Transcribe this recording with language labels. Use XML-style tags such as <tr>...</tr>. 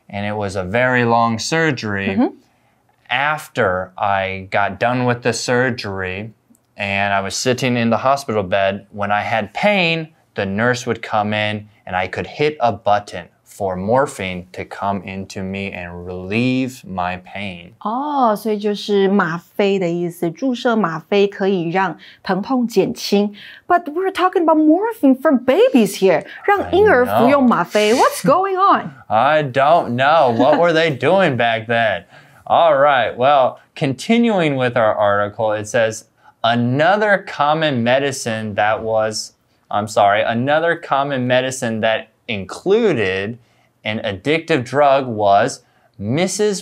<en>And it was a very long surgery. Mm-hmm. After I got done with the surgery and I was sitting in the hospital bed, when I had pain, the nurse would come in and I could hit a button for morphine to come into me and relieve my pain.</en> <zh>Oh, 所以就是吗啡的意思，注射吗啡可以让疼痛减轻。</zh> <en>But we're talking about morphine for babies here.</en> <zh>让婴儿服用吗啡。</zh> <en>What's going on? I don't know. What were they doing back then? All right. Well, continuing with our article, it says another common medicine that was, I'm sorry, another common medicine that included an addictive drug was Mrs.</en>